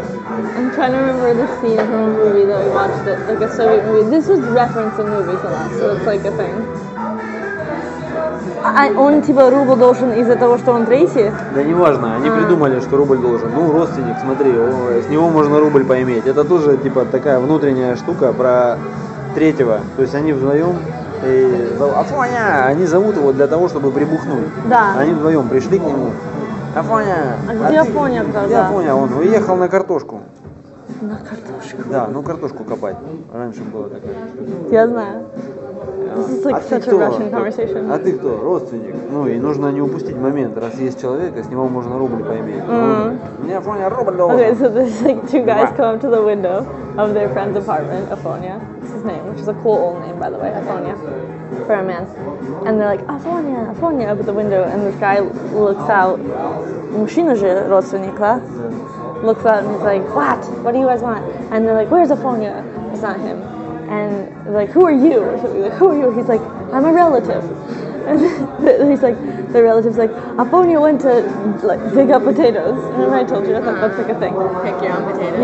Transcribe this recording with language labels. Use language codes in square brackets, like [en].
[en] I'm trying to remember the scene from a movie that we watched, it, like a Soviet movie. This was reference in movies a lot, so it's like a thing. [ru] Он типа рубль должен из-за того, что он третий? Да не важно, они придумали, что рубль должен. Ну, родственник, смотри, с него можно рубль поиметь. Это тоже типа такая внутренняя штука про третьего. То есть они вдвоем... Афоня! Они зовут его для того, чтобы прибухнуть. Да. Они вдвоем пришли к нему. Афоня! А где Афоня тогда? Где Афоня? Он уехал на картошку. На картошку? Да, ну картошку копать. Раньше было такое. Я знаю. [en] This is like such a Russian conversation. [ru] А ты кто? Родственник. Ну и нужно не упустить момент. Раз есть человек, с него можно рубль поиметь. Мне Афоня рубль должен. [en] Okay, so this is like two guys come up to the window of their friend's apartment, Афоня. It's his name, which is a cool old name, by the way, Афоня. For a man. And they're like, Афоня, Афоня, up at the window. And this guy looks out. [ru] Мужчина же родственник, да? [en] Looks out and he's like, what? What do you guys want? And they're like, where's Афоня? It's not him. And like, who are you? Or something like, who are you? He's like, I'm a relative. And he's like, the relative's like, Afonia went to like dig up potatoes. Remember I told you, I thought that's like a thing. Pick your own potatoes.